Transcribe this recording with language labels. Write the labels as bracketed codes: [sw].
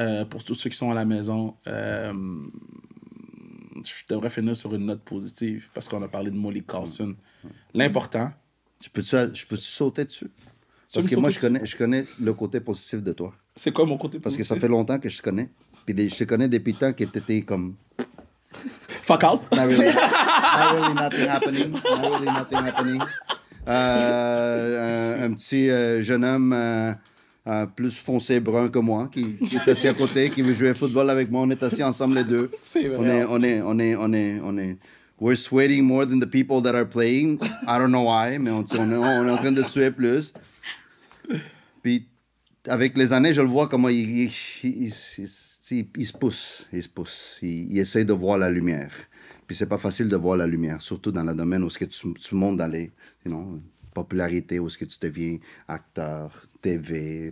[fr] Pour tous ceux qui sont à la maison, je devrais finir sur une note positive parce qu'on a parlé de Molly Carson. L'important. Je peux-tu sauter dessus? Parce que moi, je connais le côté positif de toi. C'est quoi mon côté positif? Parce que ça fait longtemps que je te connais. Puis je te connais depuis le temps que t'étais comme. [en] Fuck out. Not really nothing happening. [fr] Un petit jeune homme plus foncé brun que moi qui est assis à côté, qui veut jouer au football avec moi. On est assis ensemble les deux. C'est vrai. On est. [en] We're sweating more than the people that are playing. I don't know why, [fr] mais on est en train de suer plus. Puis avec les années, je le vois comment il T'sais, il se pousse. Il essaie de voir la lumière. Puis c'est pas facile de voir la lumière, surtout dans le domaine où ce que tu montes dans les, you know, popularité, où ce que tu deviens acteur, TV.